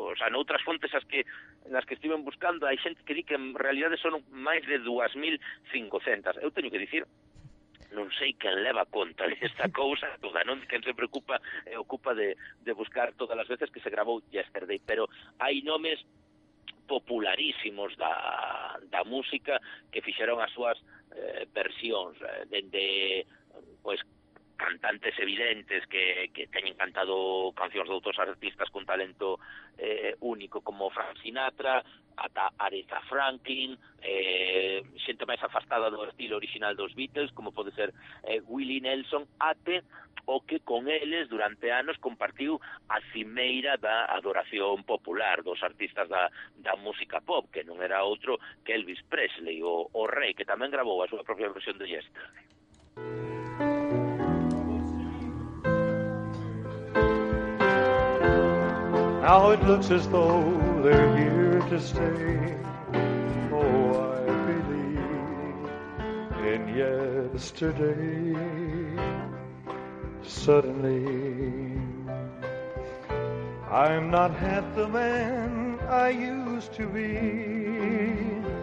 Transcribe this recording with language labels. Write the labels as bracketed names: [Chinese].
[Galician] Noutras fontes nas que estiven buscando, hai xente que di que en realidade son máis de 2500. Eu teño que dicir, non sei quen leva conta desta cousa toda, non? Quen se preocupa e ocupa de buscar todas as veces que se gravou Yesterday, pero hai nomes popularísimos da música que fixeron as súas versións, dende pues, cantantes evidentes que teñen cantado cancións de outros artistas con talento único como Frank Sinatra, ata Aretha Franklin, xente máis afastada do estilo original dos Beatles, como pode ser Willie Nelson, ate o que con eles durante anos compartiu a cimeira da adoración popular dos artistas da música pop, que non era outro que Elvis Presley, o rei, que tamén gravou a súa propia versión de Yesterday. [English] Now it looks as though they're here to stay. Oh, I believe in yesterday. Suddenly, I'm not half the man I used to be.